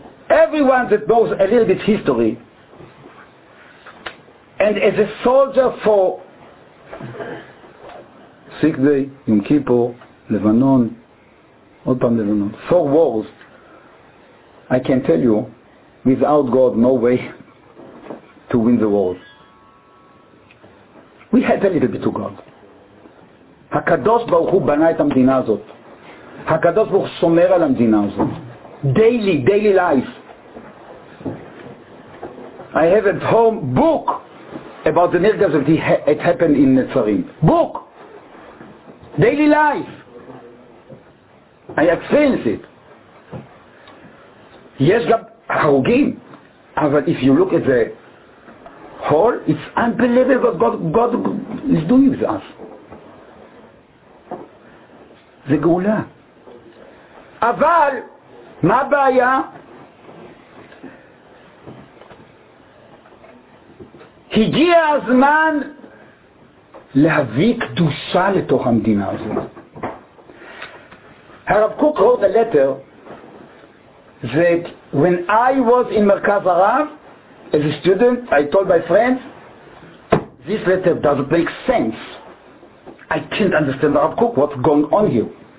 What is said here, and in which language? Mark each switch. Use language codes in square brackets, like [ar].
[en] Everyone that knows a little bit history, and as a soldier for Six-Day, Yom Kippur, Lebanon, all time Lebanon, four wars, I can tell you, without God, no way to win the wars. We had a little bit to God. [he] HaKadosh Baruch Hu bana et המדינה הזאת. HaKadosh Baruch Hu שומר על המדינה הזאת. [en] Daily life. I have at home book about the Nirgaz that it happened in Netzarim. Book! Daily life! I experience it. Yes, [he] גם הרוגים. [en] But if you look at the whole, it's unbelievable what God is doing with us. [he] זה גאולה. אבל מה הבעיה? הגיע הזמן להביא קדושה לתוך המדינה הזו. [en] הרב קוק wrote a letter that when I was in מרכז הרב as a student, I told my friends, this letter doesn't make sense. I can't understand the Rav Kook, what's going on here.